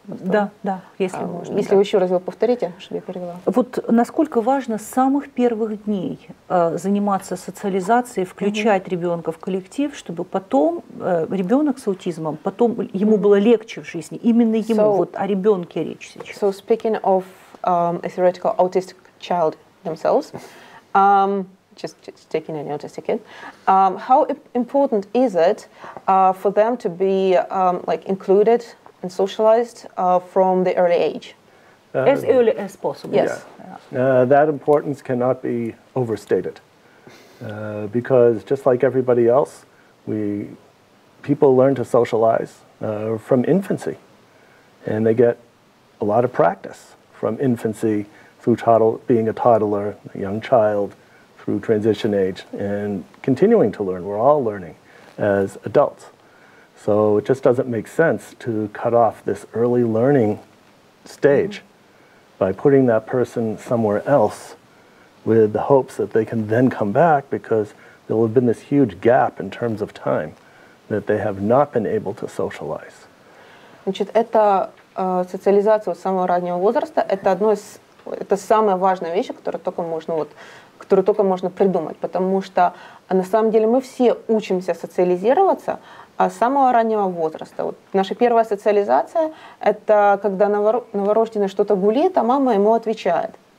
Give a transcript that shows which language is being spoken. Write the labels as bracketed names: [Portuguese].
[Russian] Да, да, если можно. Если да. вы еще раз его повторите, чтобы я перевела. Вот насколько важно с самых первых дней заниматься социализацией, включать mm-hmm. ребенка в коллектив, чтобы потом ребенок с аутизмом, потом ему mm-hmm. было легче в жизни. Именно ему, вот о ребенке речь сейчас. [English] So speaking of a theoretical autistic child themselves, just taking an autistic kid, how important is it for them to be like included and socialized from the early age? As early as possible. Yes. Yeah. That importance cannot be overstated because just like everybody else, people learn to socialize from infancy and they get a lot of practice from infancy through being a toddler, a young child, through transition age, and continuing to learn. We're all learning as adults. So it just doesn't make sense to cut off this early learning stage mm-hmm. by putting that person somewhere else with the hopes that they can then come back because there will have been this huge gap in terms of time that they have not been able to socialize. [Russian] Значит, это социализация с самого раннего возраста, это самая важная вещь, которую только можно придумать, потому что на самом деле мы все учимся социализироваться с самого раннего возраста. Вот наша первая социализация – это когда новорожденный что-то гулит, а мама ему отвечает.